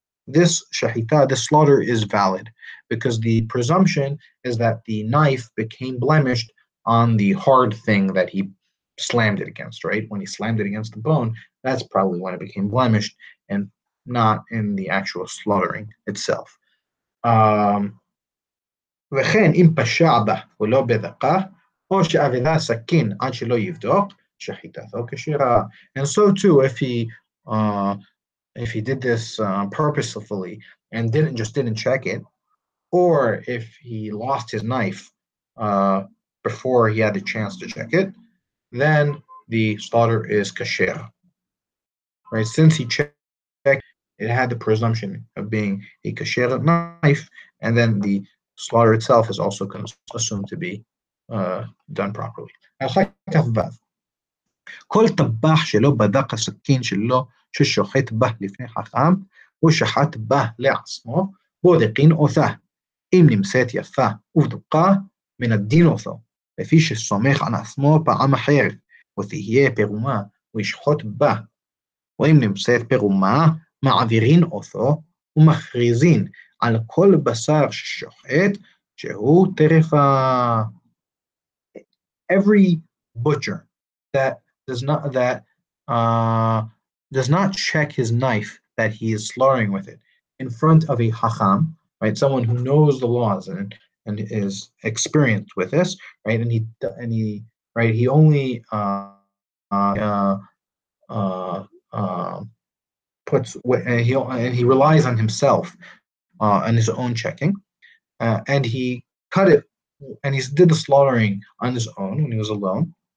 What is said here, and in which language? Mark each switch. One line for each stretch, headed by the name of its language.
English: This shahita, the slaughter, is valid because the presumption is that the knife became blemished on the hard thing that he slammed it against, right? When he slammed it against the bone, that's probably when it became blemished and not in the actual slaughtering itself.
Hebrew: וכן אם פשע בה ולא בדקה, או שעבדה סכין עד שלא יבדוק, שחיטתו כשירה.
English: And so too, if he did this purposefully and didn't check it, or if he lost his knife before he had the chance to check it, then the slaughter is kasher. Right? Since he checked, it had the presumption of being a kasher knife, and then the slaughter itself is also assumed to be done properly.
Hebrew: כל טבח שלא בדק הסכין שלו ששוחט בה לפני חכם, הוא שחט בה לעצמו, בודקין אותה. אם נמצאת יפה ובדוקה, מנדין אותו, לפי שסומך על עצמו פעם אחר, ותהיה פרומה, הוא ישחוט בה. ואם נמצאת פרומה, מעבירין אותו ומכריזין על כל בשר ששוחט, שהוא טרפה.
English: Every butcher that does not check his knife that he is slaughtering with it in front of a hacham, right? Someone who knows the laws and is experienced with this, right? And he relies on himself and his own checking, and he cut it and he did the slaughtering on his own when he was alone.